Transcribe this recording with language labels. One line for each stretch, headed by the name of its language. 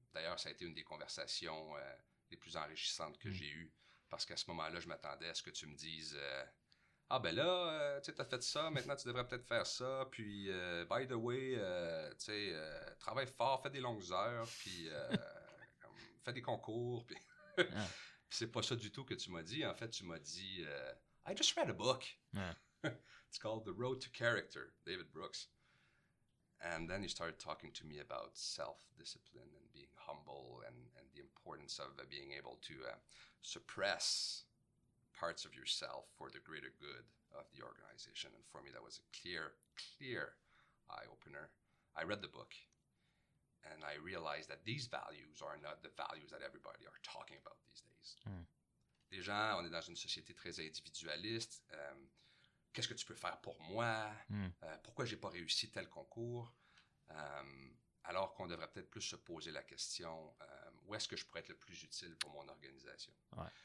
French: D'ailleurs, ça a été une des conversations les plus enrichissantes que j'ai eues, parce qu'à ce moment-là, je m'attendais à ce que tu me dises « Ah ben là, tu sais, t'as fait ça, maintenant tu devrais peut-être faire ça, puis
English: by the way,
French: tu sais, travaille fort, fais des longues heures, puis fais des concours, puis... » Puis c'est pas ça du tout que tu m'as dit. En fait, tu m'as dit «
English: I just read a book. » It's called « The Road to Character », David Brooks. And then you started talking to me about self-discipline and being humble and the importance of being able to suppress parts of yourself for the greater good of the organization. And for me, that was a clear eye-opener. I read the book. And I realized that these values are not the values that everybody are talking about these days.
French: Les gens, on est dans une société très individualiste. Qu'est-ce que tu peux faire pour moi? Pourquoi j'ai pas réussi tel concours? Alors qu'on devrait peut-être plus se poser la question, où est-ce que je pourrais être le plus utile pour mon organisation? Ouais.